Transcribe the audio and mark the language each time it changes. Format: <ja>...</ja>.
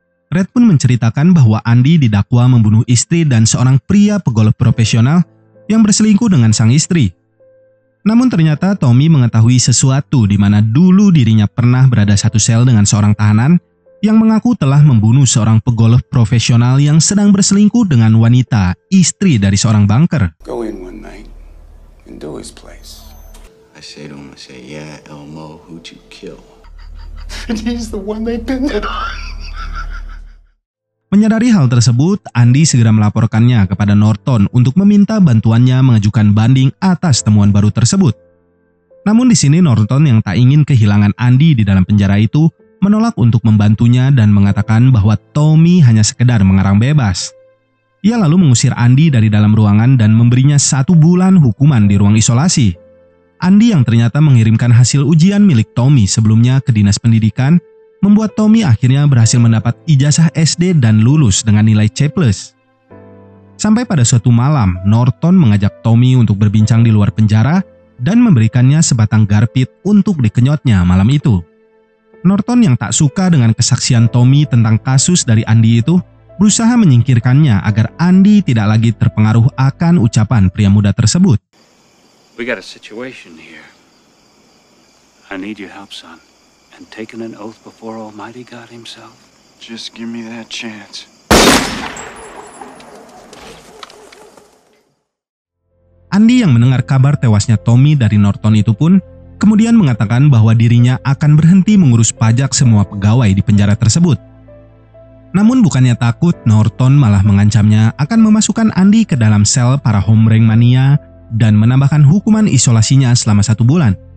<id>Red pun menceritakan bahwa Andy didakwa membunuh istri dan seorang pria pegolof profesional yang berselingkuh dengan sang istri. Namun ternyata Tommy mengetahui sesuatu di mana dulu dirinya pernah berada satu sel dengan seorang tahanan yang mengaku telah membunuh seorang pegolof profesional yang sedang berselingkuh dengan wanita, istri dari seorang banker.</id> <en>Go in one night and do his place. I say to him, I say, yeah, Elmo, who'd you kill? And he's the one they pinned it on.</en> <id>Menyadari hal tersebut, Andy segera melaporkannya kepada Norton untuk meminta bantuannya mengajukan banding atas temuan baru tersebut. Namun di sini Norton yang tak ingin kehilangan Andy di dalam penjara itu menolak untuk membantunya dan mengatakan bahwa Tommy hanya sekedar mengarang bebas. Ia lalu mengusir Andy dari dalam ruangan dan memberinya 1 bulan hukuman di ruang isolasi. Andy yang ternyata mengirimkan hasil ujian milik Tommy sebelumnya ke dinas pendidikan membuat Tommy akhirnya berhasil mendapat ijazah SD dan lulus dengan nilai C+. Sampai pada suatu malam, Norton mengajak Tommy untuk berbincang di luar penjara dan memberikannya sebatang garpit untuk dikenyotnya malam itu. Norton yang tak suka dengan kesaksian Tommy tentang kasus dari Andy itu, berusaha menyingkirkannya agar Andy tidak lagi terpengaruh akan ucapan pria muda tersebut.</id> <en>We got a situation here. I need your help, son. And taking an oath before Almighty God himself. Just give me that chance.</en> <id>Andy yang mendengar kabar tewasnya Tommy dari Norton itu pun, kemudian mengatakan bahwa dirinya akan berhenti mengurus pajak semua pegawai di penjara tersebut. Namun bukannya takut, Norton malah mengancamnya akan memasukkan Andy ke dalam sel para homereng mania dan menambahkan hukuman isolasinya selama 1 bulan.</id>